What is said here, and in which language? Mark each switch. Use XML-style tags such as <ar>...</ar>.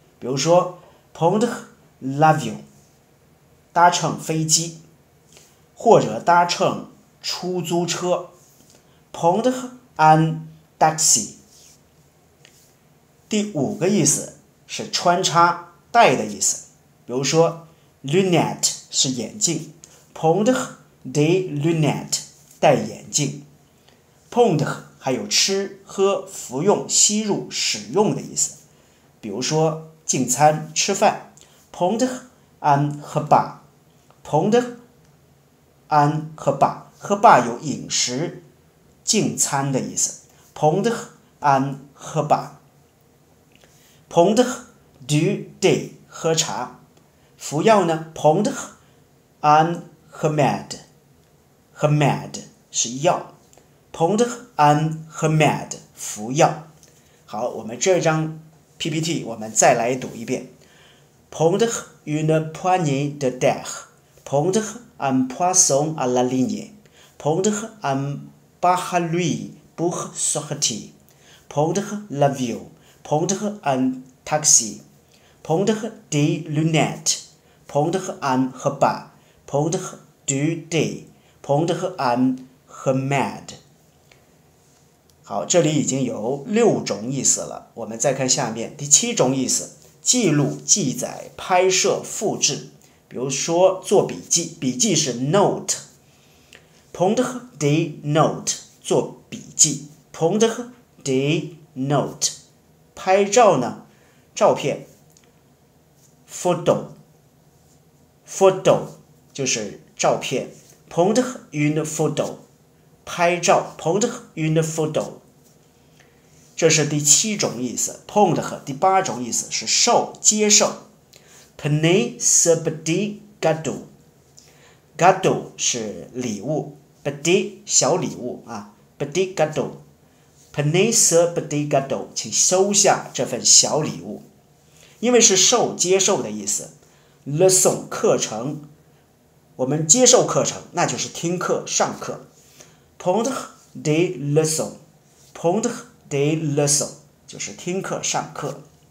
<zh>比如说 ，</zh> <fr>prendre l'avion，</fr> <zh>搭乘飞机，或者搭乘出租车 ，</zh> <fr>prendre un taxi。</fr> <zh>第五个意思是穿插戴的意思。比如说 ，lunette 是眼镜 ，</zh> <fr>prendre des lunettes</fr> <zh>戴眼镜 ，prendre。还有吃、喝、服用、吸入、使用的意思。比如说进餐吃饭</zh> <fr>prendre un repas，</fr> <zh>prendre un repas， 喝罢有饮食、进餐的意思。</zh> <fr>prendre un repas， prendre du thé，</fr> <zh>喝茶。服药呢</zh> <fr>prendre un remède，</fr> <zh>remède 是药，prendre un remède， 服药。好，我们这张 PPT 我们再来读一遍。</zh> <fr>prendre une poignée de terre， prendre un poisson à la ligne， prendre un parapluie pour sortir， prendre l'avion， prendre un taxi， prendre des lunettes， prendre un repas， prendre du thé， prendre un remède。</fr> <zh>好，这里已经有六种意思了，我们再看下面第七种意思，记录、记载、拍摄、复制。比如说做笔记，笔记是 note，</zh> <fr>prendre des notes，</fr> <zh>做笔记， prendre des notes。拍照呢，照片 photo， photo 就是照片，</zh> <fr>prendre une photo，</fr> <zh>拍照， prendre une photo。这是第七种意思 ，prendre。第八种意思是受、接受 ，</zh> <fr>prenez ce petit cadeau。</fr> <zh>cadeau 是礼物 ，petit 小礼物啊 ，</zh> <fr>petit cadeau。 prenez ce petit cadeau，</fr> <zh>请收下这份小礼物，因为是受、接受的意思。 lesson 课程，我们接受课程，那就是听课、上课。</zh> <fr>prendre des leçons， prendre。de lesson</fr> <zh>就是听课、上课。</zh>